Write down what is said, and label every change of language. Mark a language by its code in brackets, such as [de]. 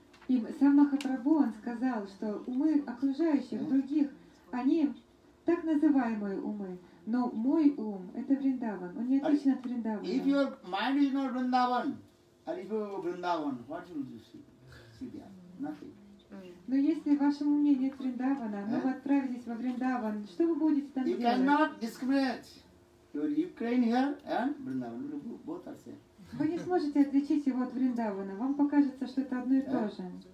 [ru] И сам Махапрабху, он сказал, что умы окружающих, других, они так называемые умы, но мой ум — это Вриндаван, он не отличен от Вриндавана. [en] If your mind is not Vrindavan, or if you are Vrindavan, what will you see there? Nothing. [ru] Но если в вашем уме нет Вриндавана, но вы отправились во Вриндаван, что вы будете там делать? [en] You cannot discriminate. Your Ukraine here and Vrindavan, both are same. [ru] Вы не сможете отличить его от Вриндавана. Вам покажется, что это одно и то же.